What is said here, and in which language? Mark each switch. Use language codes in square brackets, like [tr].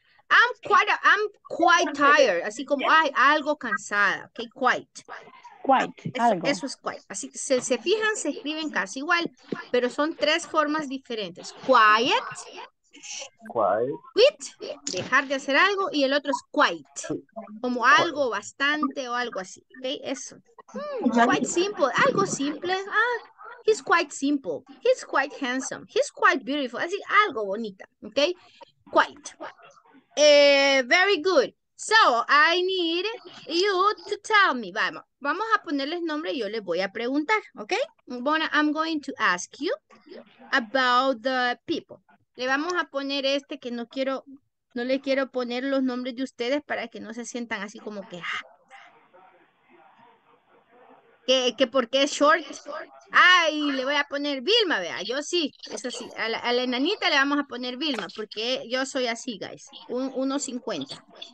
[en] I'm quite tired, [es] así como ay, algo cansada, ok, quite, eso es quite, así que se fijan, se escriben casi igual, pero son tres formas diferentes, quiet, quit, dejar de hacer algo, y el otro es quite, como algo bastante o algo así, ok, eso, [en] quite simple, [es] algo simple, [en] he's quite simple, he's quite handsome, he's quite beautiful, [es] así algo bonita, ok, quite. [en] Very good. So, I need you to tell me. [es] Vamos a ponerles nombre y yo les voy a preguntar, ¿ok? [en] I'm going to ask you about the people. [es] Le vamos a poner este que no le quiero poner los nombres de ustedes para que no se sientan así como que, que porque es short. Ay, le voy a poner Vilma, vea, yo sí, eso sí, a la enanita le vamos a poner Vilma, porque yo soy así, guys, 1.50.